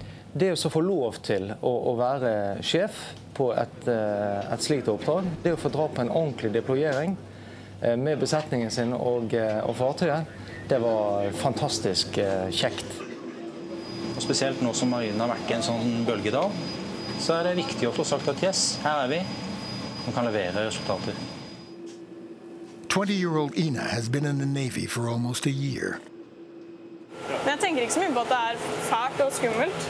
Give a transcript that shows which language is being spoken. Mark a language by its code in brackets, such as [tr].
[no] Det å få lov til å være sjef på et slikt oppdrag, det å få dra på en ordentlig deployering med besetningen sin og fartøyet, det var fantastisk kjekt. Og spesielt nå som marinen har vært i en sånn bølgedal, så er det viktig å få sagt at yes, her er vi, og kan levere resultater. [en] 20-year-old Ina has been in the Navy for almost a year. [no] Jeg tenker ikke så mye på at det er fælt og skummelt.